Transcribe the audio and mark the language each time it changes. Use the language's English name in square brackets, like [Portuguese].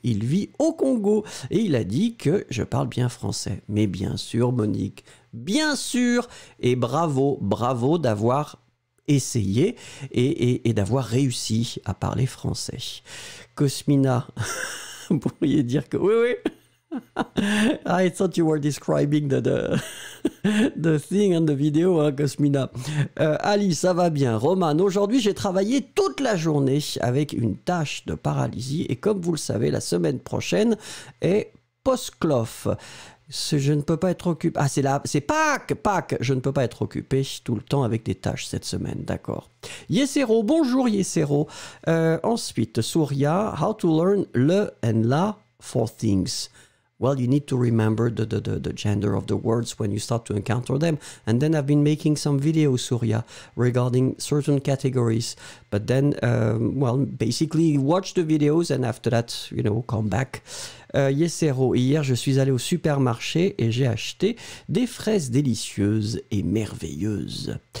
[French] Il vit au Congo et il a dit que je parle bien français. Mais bien sûr, Monique, bien sûr. Et bravo, bravo d'avoir essayer et d'avoir réussi à parler français. Cosmina, vous pourriez dire que oui, oui. [English] I thought you were describing the thing on the video, hein, Cosmina. [French] Ali, ça va bien. Roman, aujourd'hui, j'ai travaillé toute la journée avec une tâche de paralysie et comme vous le savez, la semaine prochaine est post-clof. Je ne peux pas être occupé. Ah, c'est Pâques. Je ne peux pas être occupé tout le temps avec des tâches cette semaine, d'accord. Yesero, bonjour Yesero. [English] Ensuite, Surya, how to learn le and la for things. Well, you need to remember the gender of the words when you start to encounter them. And then I've been making some videos, Surya, regarding certain categories. But then, well, basically, watch the videos and after that, you know, come back. [French] Yesero, hier, je suis allé au supermarché et j'ai acheté des fraises délicieuses et merveilleuses.